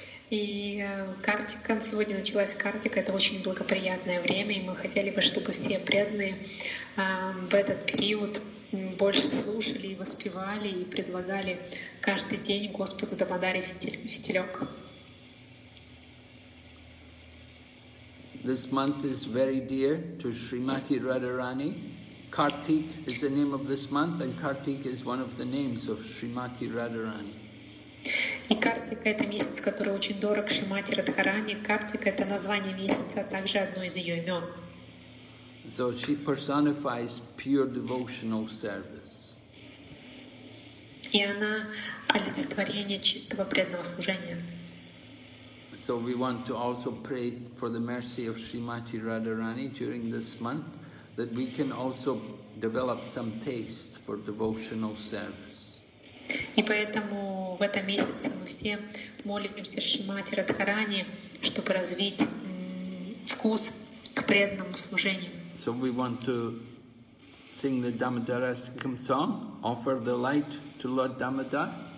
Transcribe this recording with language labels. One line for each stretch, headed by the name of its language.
Russian: И Картика, сегодня началась Картика, это очень благоприятное время, и мы хотели бы, чтобы все преданные в этот период больше слушали и воспевали, и предлагали каждый день Господу Дамодаре фитилек.
English: This month is very dear to Srimati Radharani. Kartik is the name of this month, and Kartik is one of the names of Srimati Radharani.
Russian: И Картика — это месяц, который очень дорог Шримати Радхарани. Картика — это название месяца, а также одно из ее имен.
English: So she personifies pure devotional service.
Russian: И она олицетворение чистого преданного служения.
English: So we want to also pray for the mercy of Srimati Radharani during this month, that we can also develop some taste for devotional service.
Russian: И поэтому в этом месяце мы все молимся Шримати Радхарани, чтобы развить вкус к преданному служению.
English: So we want to sing the Damodarasikam song, offer the light to Lord Damodar.